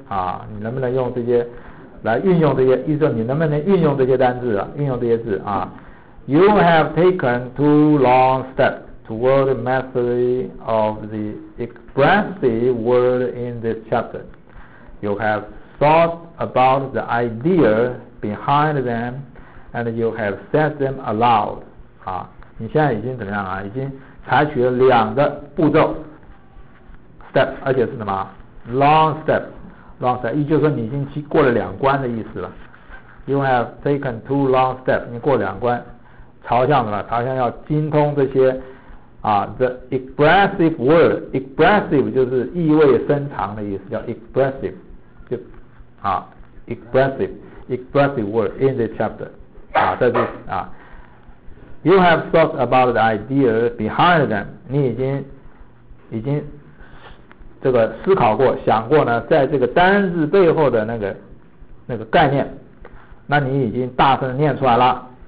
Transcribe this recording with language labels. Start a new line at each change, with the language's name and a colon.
Chinese: 啊，你能不能用这些来运用这些？意思说你能不能运用这些单字啊？运用这些字啊
English: ？You have taken two long steps toward mastery of the expressive word in this chapter. You have thought about the idea behind them, and you have said them aloud.
Chinese: 啊，你现在已经怎么样啊？已经采取了两个步骤 step， 而且是什么 long step。 Long step， 也就是说你已经过了两关的意思了。
English: You have taken two long steps，
Chinese: 你过两关，朝向什么？朝向要精通这些啊 ，the expressive word， expressive 就是意味深长的意思，叫 expressive， 就啊
English: expressive word in this chapter，
Chinese: 啊，在这啊。
English: You have thought about the idea behind them，
Chinese: 你已经。这个思考过想过呢，在这个单字背后的那个概念，那你已经大声念出来了。